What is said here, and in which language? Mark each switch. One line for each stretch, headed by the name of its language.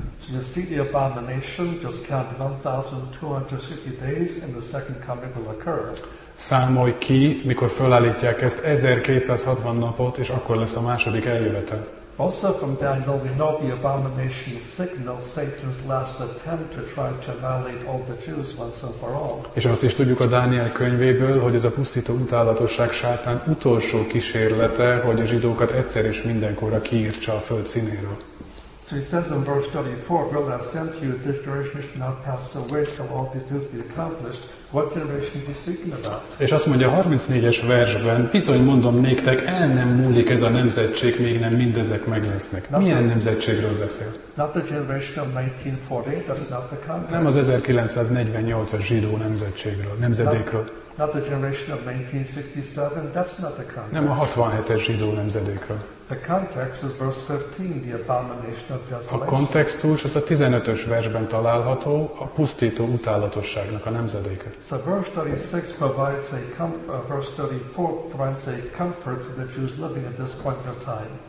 English: So you see the abomination, just count 1260 days and the second coming will occur.
Hungarian: Számolj ki, mikor felállítják ezt 1260 napot, és akkor lesz a második eljövetel.
English: Also from Daniel we know the abomination signals Satan's last attempt to try to annihilate all the Jews once and for all.
Hungarian: És azt is tudjuk a Dániel könyvéből, hogy ez a pusztító utálatosság Sátán utolsó kísérlete, hogy a zsidókat egyszer és mindenkorra kiírtsa a föld színéről.
English: So he says in verse 34, "Will I send you this generation shall not pass away till all these things be accomplished?" What generation is he speaking about?
Hungarian: És azt mondja a 34-es versben, bizony mondom néktek, el nem múlik ez a nemzetség, még nem mindezek meglesznek. Milyen nemzetségről beszél?
English: Not the generation of 1948, that's not the context.
Hungarian: Nem az 1948-as zsidó nemzetségről, nemzedékről.
English: Not the generation of 1967, that's not the context.
Hungarian: Nem a 67-es zsidó nemzedékről.
English: The context is verse 15, the abomination of desolation.
Hungarian: A kontextus az a 15-ös versben található, a pusztító utálatosságnak a nemzedéke.
English: So verse 36 provides a comfort, verse 34 provides a comfort to the Jews living at this point of time.